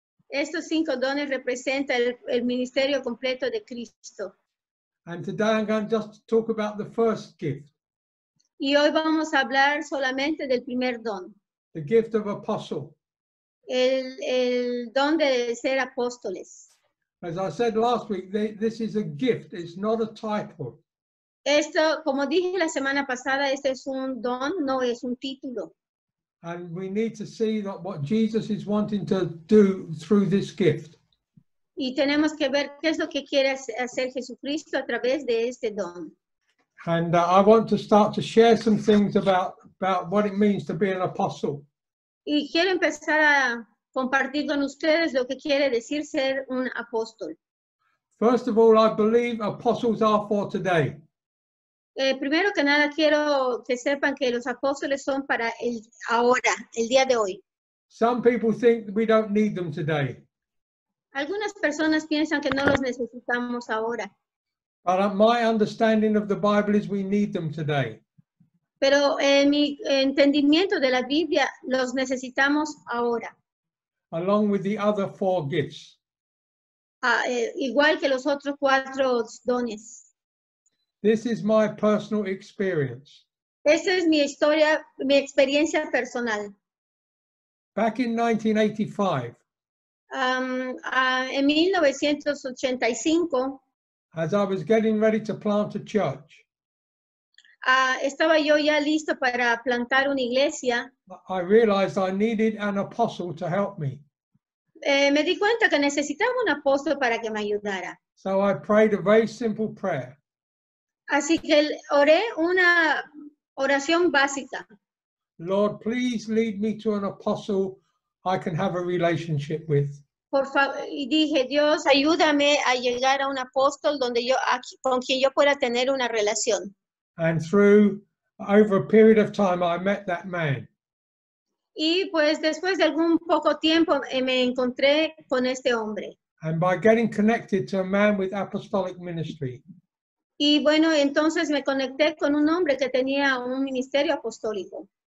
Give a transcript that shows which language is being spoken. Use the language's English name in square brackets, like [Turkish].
[Spanish] Estos 5 dones representan el ministerio completo de Cristo. [English] And today I'm going to just talk about the first gift. [Spanish] Y hoy vamos a hablar solamente del primer don. [English] The gift of apostle. [Spanish] El don de ser apóstoles. [English] As I said last week, this is a gift, it's not a title. [Spanish] Esto, como dije la semana pasada, este es un don, no es un título. [English] And we need to see that what Jesus is wanting to do through this gift. [Spanish] Y tenemos que ver qué es lo que quiere hacer Jesucristo a través de este don. [English] And I want to start to share some things about what it means to be an apostle. [Spanish] Y quiero empezar a compartir con ustedes lo que quiere decir ser un apóstol. [English] First of all, I believe apostles are for today. [Spanish] Primero que nada, quiero que sepan que los apóstoles son para el ahora, el día de hoy. [English] Some people think we don't need them today. [Spanish] Algunas personas piensan que no los necesitamos ahora. [English] But my understanding of the Bible is we need them today. [Spanish] Pero en mi entendimiento de la Biblia, los necesitamos ahora. [English] Along with the other 4 gifts. [Spanish] Igual que los otros 4 dones. [English] This is my personal experience. [Spanish] Esta es mi historia, mi experiencia personal. [English] Back in 1985, as I was getting ready to plant a church, [Spanish] estaba yo ya listo para plantar una iglesia. [English] I realized I needed an apostle to help me. [Spanish] Me di cuenta que necesitaba un apóstol para que me ayudara. [English] So I prayed a very simple prayer. [Spanish] Así que oré una oración básica. [English] Lord, please lead me to an apostle I can have a relationship with. [Spanish] Por favor, y dije, Dios, ayúdame a llegar a un apóstol donde yo, con quien yo pueda tener una relación. [English] And through, over a period of time, I met that man. [Spanish] Y pues después de algún poco tiempo me encontré con este hombre. [English] And by getting connected to a man with apostolic ministry. [Spanish] Y bueno, entonces me conecté con un hombre que tenía un ministerio apostólico.